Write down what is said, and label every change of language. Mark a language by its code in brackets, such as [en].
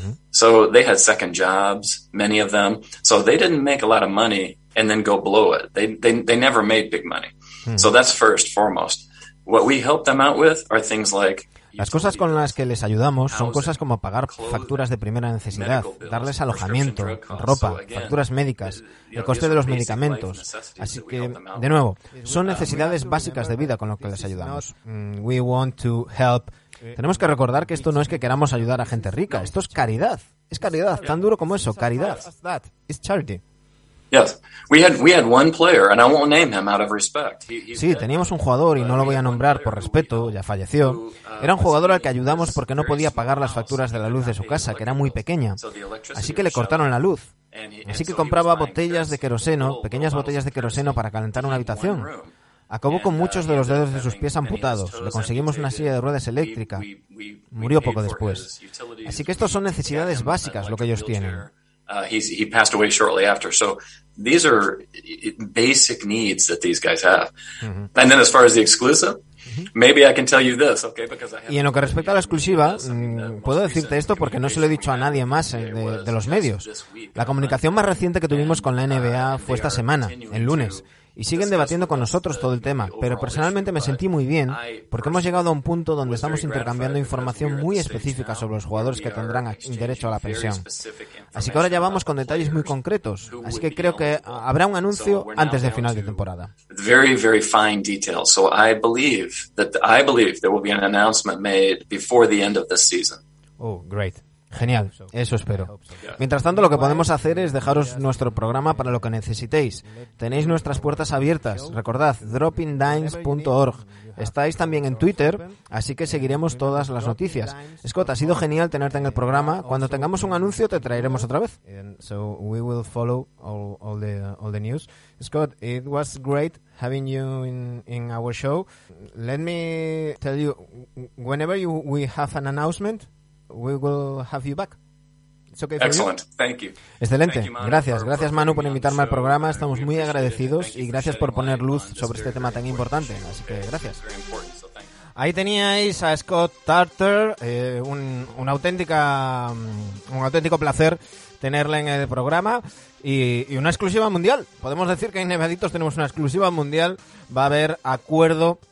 [en] So they had second jobs, many of them. So they didn't make a lot of money and then go blow it. They never made big money. So that's first foremost. What we help them out with are things like. [es] Las cosas con las que les ayudamos son cosas como pagar facturas de primera necesidad, darles alojamiento, ropa, facturas médicas, el coste de los medicamentos. Así que, de nuevo, son necesidades básicas de vida con lo que les ayudamos. [en] We want to help. [es] Tenemos que recordar que esto no es que queramos ayudar a gente rica, esto es caridad. Es caridad, tan duro como eso, caridad. [en] It's charity. Yes, we had one player, and I won't name him out of respect. [es] Sí, teníamos un jugador y no lo voy a nombrar por respeto, ya falleció. Era un jugador al que ayudamos porque no podía pagar las facturas de la luz de su casa, que era muy pequeña. Así que le cortaron la luz. Así que compraba botellas de queroseno, pequeñas botellas de queroseno para calentar una habitación. Acabó con muchos de los dedos de sus pies amputados. Le conseguimos una silla de ruedas eléctrica. Murió poco después. Así que estas son necesidades básicas, lo que ellos tienen. [en] He passed away shortly after. So these are basic needs that these guys have. Mm-hmm. And then as far as the exclusive, maybe I can tell you this, okay? Because I have. [es] Y en lo que respecta a la exclusiva, puedo decirte esto porque no se lo he dicho a nadie más de los medios. La comunicación más reciente que tuvimos con la NBA fue esta semana, el lunes. Y siguen debatiendo con nosotros todo el tema, pero personalmente me sentí muy bien porque hemos llegado a un punto donde estamos intercambiando información muy específica sobre los jugadores que tendrán derecho a la pensión. Así que ahora ya vamos con detalles muy concretos, así que creo que habrá un anuncio antes del final de temporada. [en] Very, very fine detail. So I believe there will be an announcement made before the end of this season. Oh, great. [es] Genial, eso espero. Mientras tanto, lo que podemos hacer es dejaros nuestro programa para lo que necesitéis. Tenéis nuestras puertas abiertas. Recordad, droppingdimes.org. Estáis también en Twitter, así que seguiremos todas las noticias. Scott, ha sido genial tenerte en el programa. Cuando tengamos un anuncio, te traeremos otra vez. [en] So we will follow all the news. Scott, it was great having you in our show. Let me tell you, whenever we have an announcement, we will have you back. It's okay for excellent. You? Thank you. [es] Excelente. [en] Thank you, [es] Manu, gracias Manu por invitarme al programa. Estamos muy agradecidos y gracias por poner luz sobre este tema tan importante. Así que gracias. Ahí teníais a Scott Tarter, un auténtico placer tenerle en el programa y una exclusiva mundial. Podemos decir que en Nevaditos tenemos una exclusiva mundial. Va a haber acuerdo